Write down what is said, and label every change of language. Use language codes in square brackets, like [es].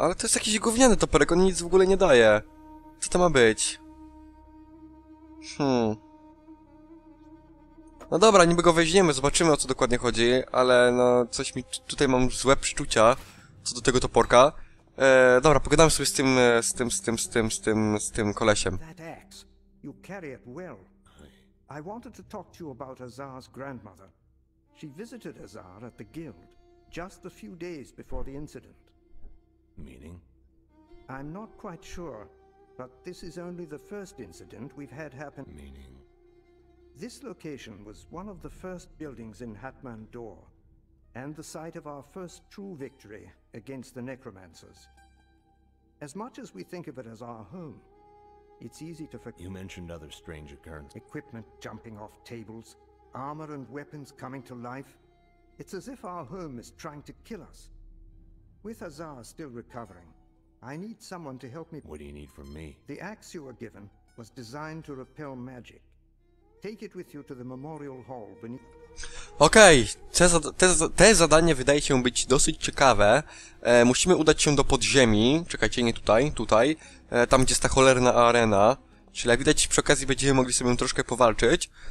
[pl] Ale to jest jakiś gówniany toporek, on nic w ogóle nie daje. Co to ma być? No dobra, niby go weźmiemy, zobaczymy o co dokładnie chodzi, ale no coś mi tutaj mam złe przeczucia co do tego toporka. Dobra, pogadam sobie z tym, z tym kolesiem. [en] That axe, you carry it well. I wanted to talk to you about Azar's grandmother. She visited Azar at the guild just a few days before the incident. Meaning? I'm not quite sure, but this is only the first incident we've had happen. Meaning? This location was one of the first buildings in Hatman Dor, and the site of our first true victory against the necromancers. As much as we think of it as our home, it's easy to forget. You mentioned other strange occurrences. Equipment jumping off tables, armor and weapons coming to life. It's as if our home is trying to kill us. With Azar still recovering, I need someone to help me. What do you need from me? The axe you were given was designed to repel magic. Take it with you to the memorial hall beneath. [pl] Okej, te zadanie wydaje się być dosyć ciekawe. Musimy udać się do podziemi. Czekajcie, nie tutaj, tutaj. Tam, gdzie jest ta cholerna arena. Czyli jak widać, przy okazji będziemy mogli sobie troszkę powalczyć.